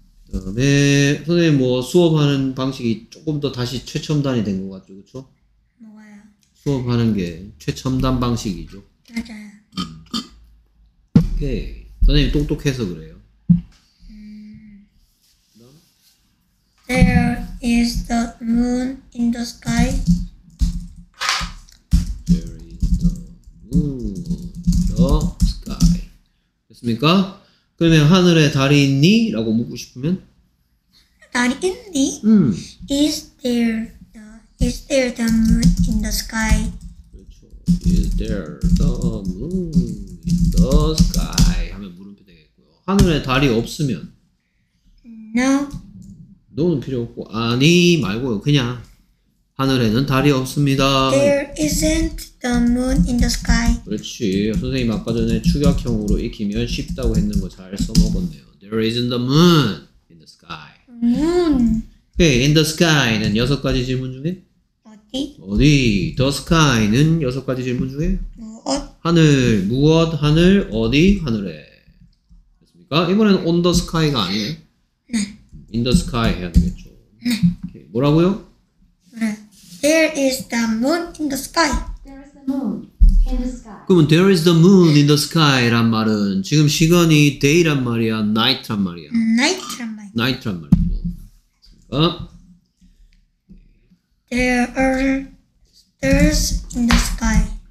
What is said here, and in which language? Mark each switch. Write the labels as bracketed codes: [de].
[ko] 그 다음에 선생님 뭐 수업하는 방식이 조금 더 다시 최첨단이 된 것 같죠? 그쵸? 뭐예요? 수업하는 게 최첨단 방식이죠? 맞아요. 오케이. 선생님 똑똑해서 그래요. [en] There is the moon in the sky. There is the moon in the sky. [ko] 습니까? 그러면 하늘에 달이 있니? 라고 묻고 싶으면 달이 있니? [en] Is there the moon in the sky? [ko] 그렇죠. [en] Is there the moon in the sky? [ko] 하면 물음표 되겠고요. 하늘에 달이 없으면 [en] No. [ko] No는 필요 없고 아니 말고요. 그냥 하늘에는 달이 없습니다. [en] There isn't the moon in the sky. [ko] 그렇지. 선생님 아까 전에 축약형으로 익히면 쉽다고 했는 거 잘 써먹었네요. [en] There isn't the moon in the sky. Moon. Okay, in the sky [ko] 는 여섯 가지 질문 중에? 어디? 어디? The sky는 여섯 가지 질문 중에? 무엇? 하늘. 무엇? 하늘. 어디? 하늘에. 됐습니까? 이번에는 [en] on the sky [ko] 가 아니에요. 네. [en] In the sky [ko] 해야 되겠죠. 네. Okay, 뭐라고요? [en] There is the moon in the sky. There is the moon in the sky. [ko] 그러면 [en] there is the moon in the sky [ko] 란 말은 지금 시간이 day란 말이야, night란 말이야. Night란 말이야. Night란 말이야. 있으니까 [en] There are stars in the sky.